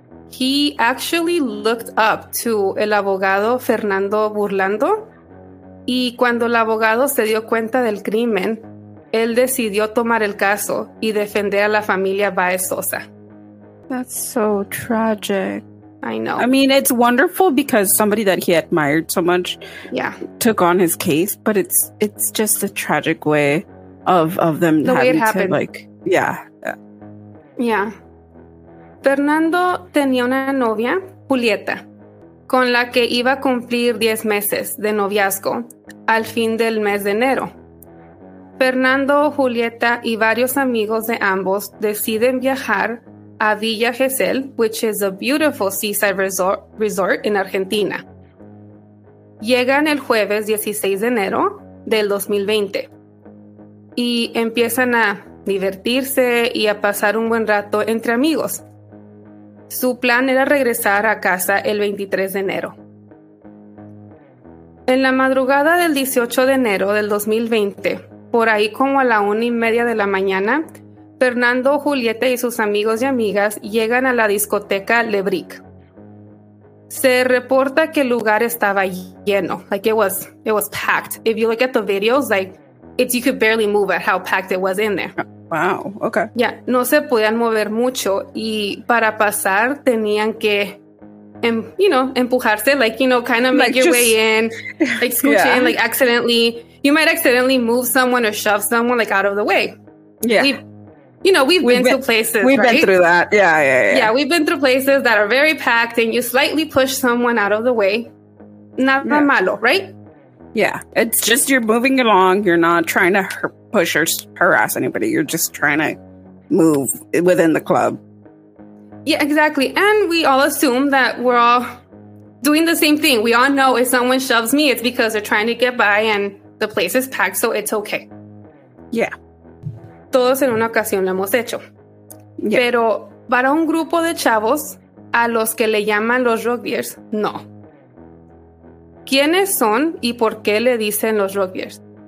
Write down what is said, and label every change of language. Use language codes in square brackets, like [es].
[en] He actually looked up to [es] el abogado Fernando Burlando, y cuando el abogado se dio cuenta del crimen, él decidió tomar el caso y defender a la familia Báez Sosa. [en] That's so tragic. I know. I mean, it's wonderful because somebody that he admired so much, yeah, took on his case, but it's just a tragic way of them the having way it happened. To like, yeah. Yeah. [es] Fernando tenía una novia, Julieta, con la que iba a cumplir 10 meses de noviazgo al fin del mes de enero. Fernando, Julieta y varios amigos de ambos deciden viajar a Villa Gesell, [en] which is a beautiful seaside resort in Argentina. [es] Llegan el jueves 16 de enero del 2020 y empiezan a divertirse y a pasar un buen rato entre amigos. Su plan era regresar a casa el 23 de enero. En la madrugada del 18 de enero del 2020, por ahí como a la 1:30 de la mañana, Fernando, Julieta y sus amigos y amigas llegan a la discoteca Le Brick. Se reporta que el lugar estaba lleno, [en] like it was packed. If you look at the videos, like it's, you could barely move at how packed it was in there. Wow, okay. Ya, yeah, [es] no se podían mover mucho y para pasar tenían que, [en] you know, [es] empujarse, [en] like, you know, kind of make like your just, way in, like scooch yeah. in, like accidentally, you might accidentally move someone or shove someone like out of the way. Yeah. We've been through that. Yeah. Yeah, we've been through places that are very packed and you slightly push someone out of the way. [es] Nada malo, [en] right? Yeah, it's just you're moving along. You're not trying to push or harass anybody. You're just trying to move within the club. Yeah, exactly. And we all assume that we're all doing the same thing. We all know if someone shoves me, it's because they're trying to get by and the place is packed, so it's okay. Yeah. [es] Todos en una ocasión lo hemos hecho. [en] Yeah. [es] Pero para un grupo de chavos a los que le llaman los rugbyers, no. ¿Quiénes son y por qué le dicen los rugbyers?